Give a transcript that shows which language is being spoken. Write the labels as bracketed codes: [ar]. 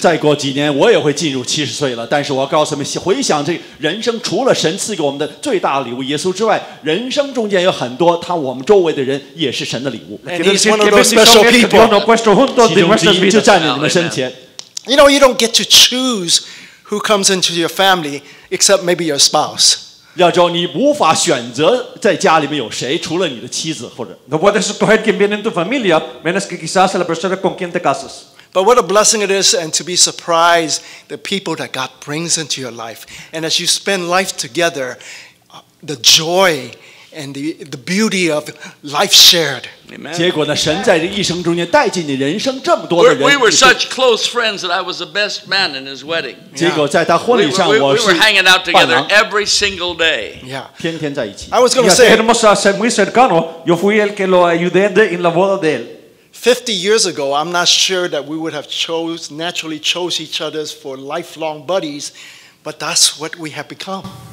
[zh] 再过几年我也会进入七十岁了，但是我告诉你们，回想这人生，除了神赐给我们的最大礼物耶稣之外，人生中间有很多他我们周围的人也是神的礼物。 [en] And he's one of those special people. You know, you don't get to choose who comes into your family except maybe your spouse. [zh] 要知道你无法选择在家里面有谁，除了你的妻子或者。 [es] No puedes escoger quién viene en tu familia menos que quizás la persona con quien te casas. [en] But what a blessing it is, and to be surprised the people that God brings into your life. And as you spend life together, the joy and the beauty of life shared. Amen. [zh] 结果呢，神在这一生中间带进你人生这么多的人。 [en] We were such close friends that I was the best man in his wedding. [zh] 结果在他婚礼上，我是伴郎。 [en] We were hanging out together every single day. Yeah. [zh] 天天在一起。 [en] I was going to say. [es] Hermosa, soy muy cercano. Yo fui el que lo ayudé en la boda de él. [en] 50 years ago, I'm not sure that we would have naturally chose each other for lifelong buddies, but that's what we have become.